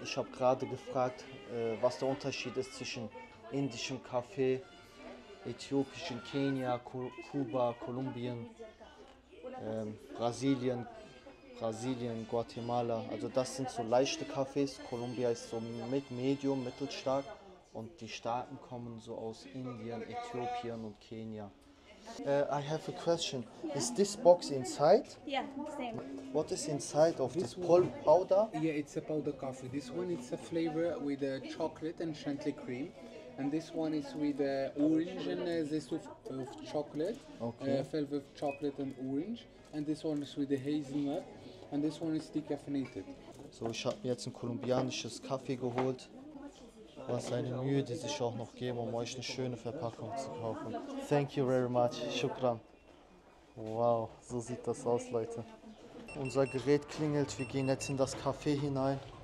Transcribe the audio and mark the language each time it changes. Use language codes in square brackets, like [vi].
[de] Ich habe gerade gefragt, was der Unterschied ist zwischen indischem Kaffee, äthiopischem, Kenia, Kuba, Kolumbien, Brasilien. Brasilien, Guatemala, also das sind so leichte Kaffees. Kolumbien ist so mit Medium, mittelstark. Und die starken kommen so aus Indien, Äthiopien und Kenia. [en] I have a question. Is this box inside? Yeah, same. What is inside of this powder? Yeah, it's a powder coffee. This one is a flavor with a chocolate and chantilly cream. And this one is with orange and zest of chocolate. Okay. Velvet chocolate and orange. And this one is with the hazelnut. And this one is decaffeinated. [de] So, ich habe mir jetzt ein kolumbianisches Kaffee geholt. Was eine Mühe, die sich auch noch geben, um euch eine schöne Verpackung zu kaufen. [en] Thank you very much. [de] Shukran. Wow, so sieht das aus, Leute. Unser Gerät klingelt. Wir gehen jetzt in das Café hinein.